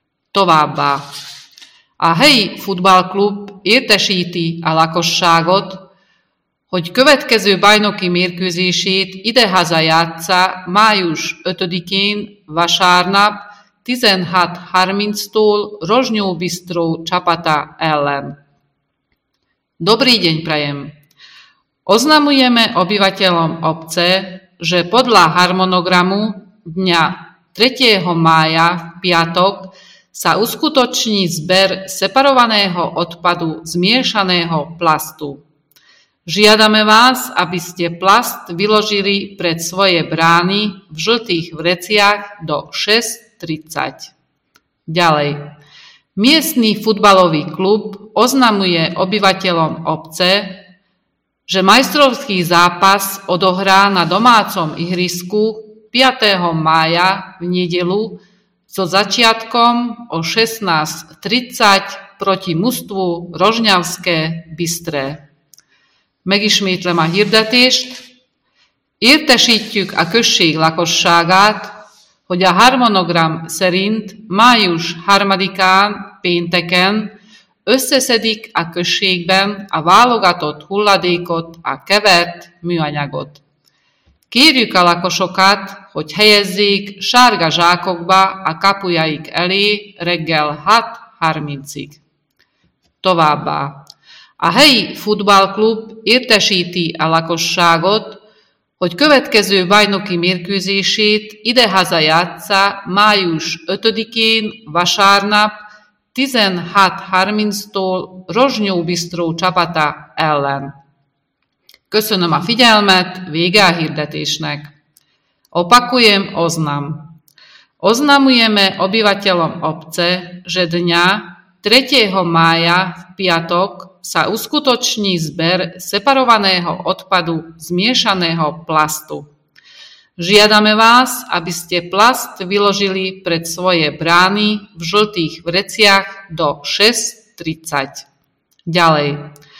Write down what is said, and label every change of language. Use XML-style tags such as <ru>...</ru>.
<hu>Továbbá a helyi futballklub értesíti a lakosságot, hogy következő bajnoki mérkőzését idehaza játssza május 5-én vasárnap 16:30-tól Rozsnyó Bisztró csapata ellen.</hu> <sk>Dobrý deň prajem! Oznamujeme obyvateľom obce, že podľa harmonogramu dňa 3. mája v piatok sa uskutoční zber separovaného odpadu zmiešaného plastu. Žiadame vás, aby ste plast vyložili pred svoje brány v žltých vreciach do 6:30. Ďalej. Miestny futbalový klub oznamuje obyvateľom obce, že majstrovský zápas odohrá na domácom ihrisku 5. mája v nedeľu so začiatkom o 16:30 proti mužstvu Rožňavské Bystré.</sk> <hu>Megismétlem a hirdetést. Értesítjük a község lakosságát, hogy a harmonogram szerint május 3-án pénteken összeszedik a községben a válogatott hulladékot, a kevert műanyagot. Kérjük a lakosokat, hogy helyezzék sárga zsákokba a kapujaik elé reggel 6:30-ig. Továbbá. A helyi futballklub értesíti a lakosságot, hogy következő bajnoki mérkőzését idehaza játssza május 5-én vasárnap 16:30-tól Rozsnyó Bisztró csapata ellen. Köszönöm a figyelmet, vége a hirdetésnek.</hu> <sk>Opakujem oznam. Oznamujeme obyvateľom obce, že dňa 3. mája v piatok sa uskutoční zber separovaného odpadu zmiešaného plastu. Žiadame vás, aby ste plast vyložili pred svoje brány v žltých vreciach do 6:30. Ďalej.</sk>